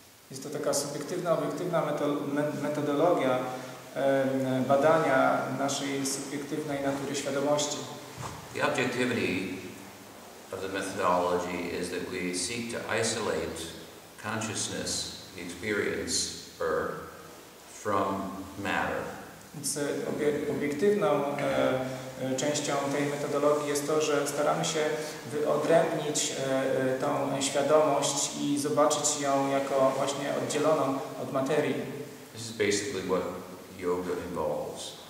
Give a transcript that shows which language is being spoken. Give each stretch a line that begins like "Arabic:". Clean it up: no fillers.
Polish: Jest to taka subiektywna, obiektywna metodologia badania naszej subiektywnej natury świadomości.
English: The objectivity of the methodology is that we seek to isolate consciousness, the experience, or from matter.
Polish: Więc obiektywną częścią tej metodologii jest to, że staramy się wyodrębnić tą świadomość i zobaczyć ją jako właśnie oddzieloną od materii.
English: This is basically what yoga involves.